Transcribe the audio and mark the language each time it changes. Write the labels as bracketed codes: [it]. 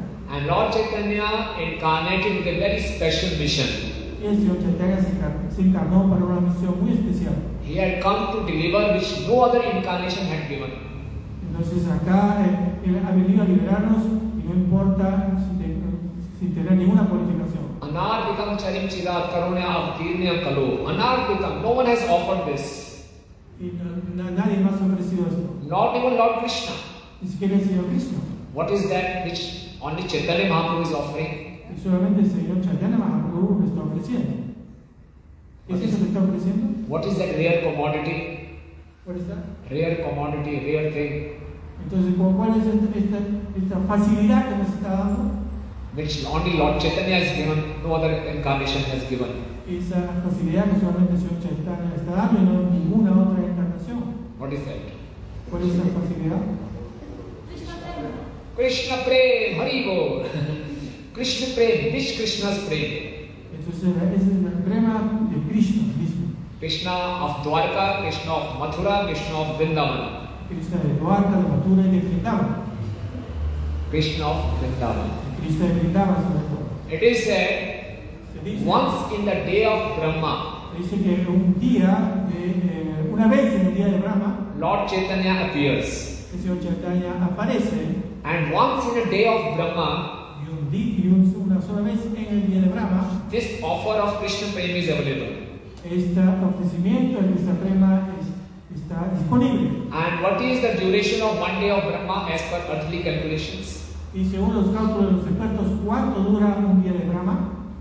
[en] And Lord Chaitanya incarnated with a very special mission. He had come to deliver which no other incarnation had given. [es] Entonces acá él ha venido a liberarnos y no importa sin tener ninguna purificación. [sa] Anarpitam charim chira karunya avtirnya kalo. Anarpitam. [en] No one has offered this. [es] Nadie más ha ofrecido esto. [en] Not even Lord Krishna. [es] Ni siquiera el Señor Krishna. [en] What is that which only Chaitanya Mahaprabhu is offering? [es] Solamente el Señor Chaitanya Mahaprabhu lo está ofreciendo. ¿Es eso que está ofreciendo? [en] What is that rare commodity? What is that? Rare commodity, rare thing. [es] Entonces, ¿cuál es esta facilidad que nos está dando? [en] Which only Lord Chaitanya has given, no other incarnation has given. [es] Esa facilidad que solamente Señor Chaitanya está dando y no ninguna otra encarnación. [en] What is that? [es] ¿Cuál es esa facilidad? [en] Krishna Prem, Haribo. Krishna Prem, which Krishna's Prem? [es] Entonces, es el prema de Krishna. [en] Krishna of Dwarka, Krishna of Mathura, Krishna of Vrindavan. [es] Krishna de Dwarka, de Mathura y de Vrindavan. [en] Krishna of Vrindavan. [es] Krishna de Vrindavan. [en] It is said, once in the day of Brahma, [es] dice que un día, una vez en el día de Brahma, [en] Lord Chaitanya appears. [es] El Señor Chaitanya aparece. [en] And once in the day of Brahma, [es] y un día y una sola vez en el día de Brahma, [en] this offer of Krishna Prem is available. [es] Este ofrecimiento de esta prema está disponible. [en] And what is the duration of one day of Brahma as per earthly calculations? [es] Y según los cálculos de los expertos, ¿cuánto dura un día de Brahma?